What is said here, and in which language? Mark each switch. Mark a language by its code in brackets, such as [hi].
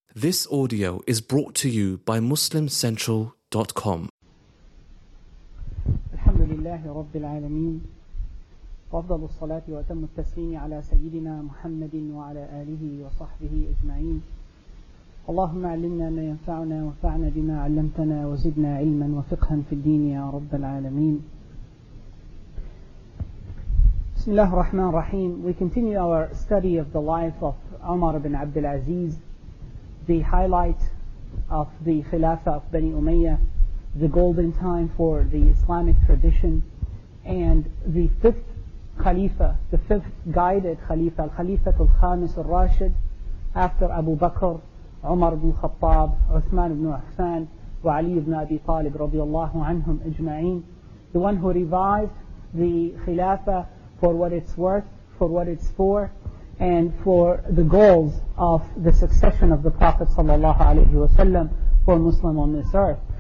[en] This audio is brought to you by MuslimCentral.com. [ar] الحمد لله رب العالمين وأفضل الصلاة وأتم التسليم على سيدنا محمد وعلى آله وصحبه أجمعين. اللهم علمنا ما ينفعنا وانفعنا بما علمتنا وزدنا علما وفقها في الدين يا رب العالمين. بسم الله الرحمن الرحيم. [en] We continue our study of the life of Umar ibn Abdul Aziz, the highlight of the Khilafah of Bani Umayyah, the golden time for the Islamic tradition, and the fifth Khalifa, the fifth guided Khalifa, Al-Khalifat al-Khamis al-Rashid, after Abu Bakr, Umar ibn Khattab, Uthman ibn Affan, wa Ali ibn Abi Talib, radiallahu anhum ajma'in, the one who revived the Khilafah for what it's worth, for what it's for, and for the goals of the succession of the Prophet sallallahu alaihi wasallam for Muslim on this earth.